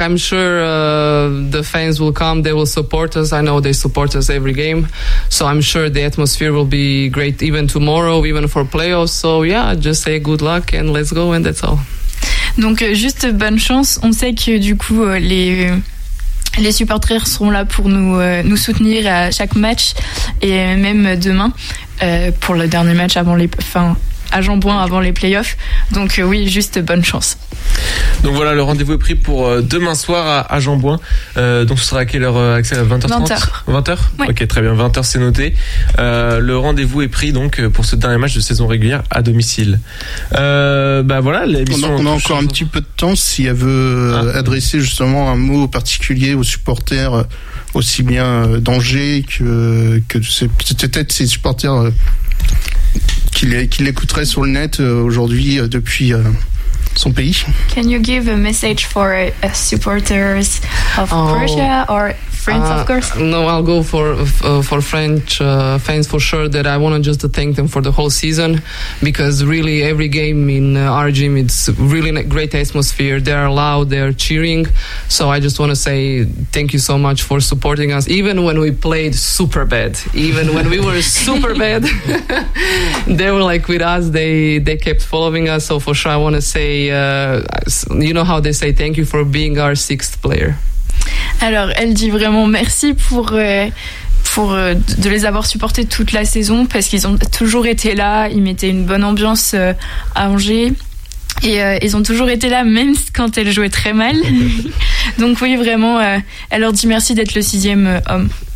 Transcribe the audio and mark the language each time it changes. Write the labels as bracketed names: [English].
[English] I'm sure the fans will come. They will support us. I know they support us every game. So I'm sure the atmosphere will be great even tomorrow, even for playoffs. So yeah, just say good luck and let's go and that's all. [French] Donc juste bonne chance. On sait que du coup les supporters seront là pour nous soutenir à chaque match et même demain pour le dernier match avant les fins. À Jeanbouin avant les playoffs, donc oui, juste bonne chance. Donc voilà, le rendez-vous est pris pour demain soir à Jeanbouin. Donc ce sera à quelle heure, Axel? 20h30. Ouais. Ok, très bien, 20h c'est noté. Le rendez-vous est pris donc pour ce dernier match de saison régulière à domicile. Voilà, l'émission. On a encore un petit peu de temps si elle veut adresser justement un mot particulier aux supporters, aussi bien d'Angers que peut-être ses supporters. Qu'il écouterait sur le net aujourd'hui depuis son pays. [English] Can you give a message for supporters of Persia or France, of course? No, I'll go for French fans for sure. That I want to just thank them for the whole season, because really every game in our gym, it's really a great atmosphere. They are loud, they are cheering. So I just want to say thank you so much for supporting us, even when we played super bad, even when we were super bad. They were like with us. They kept following us. So for sure, I want to say. You know how they say thank you for being our sixth player. [French] Alors elle dit vraiment merci pour de les avoir supportés toute la saison, parce qu'ils ont toujours été là, ils mettaient une bonne ambiance à Angers, Et ils ont toujours été là, même quand elle jouait très mal. Donc oui, vraiment, elle leur dit merci d'être le sixième homme.